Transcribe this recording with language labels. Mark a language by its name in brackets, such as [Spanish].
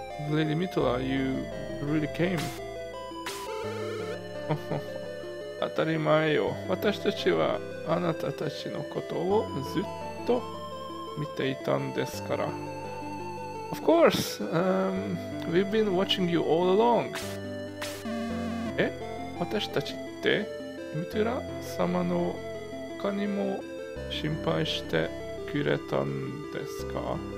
[English] Lady Mithila, you really came. [Japanese] 当たり前よ。私たちはあなたたちのことをずっと見ていたんですから。 [English] Of course, we've been watching you all along. [Japanese] え？私たちって、ミトゥラ様の他にも心配してくれたんですか？